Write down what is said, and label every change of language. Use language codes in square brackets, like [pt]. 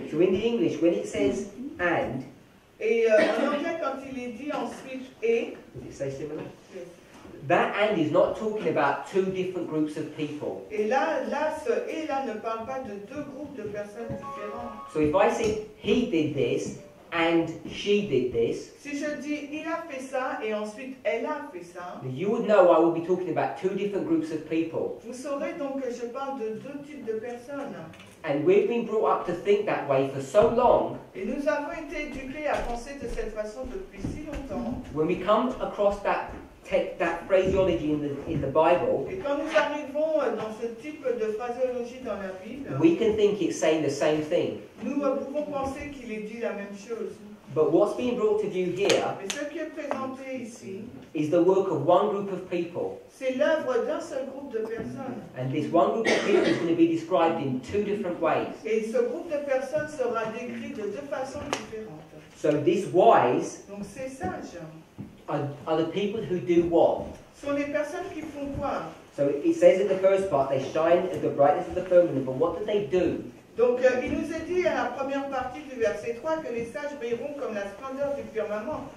[en] So in the English, when it says and, [fr] et en anglais, quand il est dit ensuite et, [en] does it say similar? Yes. That and is not talking about two different groups of people. [fr] Et là, ce et là ne parle pas de deux groupes de personnes différentes. [en] So if I say he did this and she did this, [fr] si je dis il a fait ça et ensuite elle a fait ça, [en] you would know I would be talking about two different groups of people. [fr] Vous saurez donc que je parle de deux types de personnes. [en] And we've been brought up to think that way for so long. [fr] Et nous avons été éduqués à penser de cette façon depuis si longtemps. [en] When we come across that phraseology in the Bible, [fr] et quand nous arrivons dans ce type de phraseologie dans la Bible, [en] we can think it's saying the same thing. [fr] Nous pouvons penser qu'il est dit la même chose. [en] But what's being brought to view here, [fr] mais ce qui est présenté ici, [en] is the work of one group of people. [fr] C'est l'œuvre d'un seul groupe de personnes. [en] And this one group of people is going to be described in two different ways. [fr] Et ce groupe de personnes sera décrit de deux façons différentes. [en] So this wise, [fr] donc ces sages, [en] are the people who do what? [fr] Sont les personnes qui font quoi? [en] So it says in the first part, they shine as the brightness of the firmament, but what do? [fr] Donc il nous est dit à la première partie du verset 3 que les sages brilleront comme la splendeur du firmament.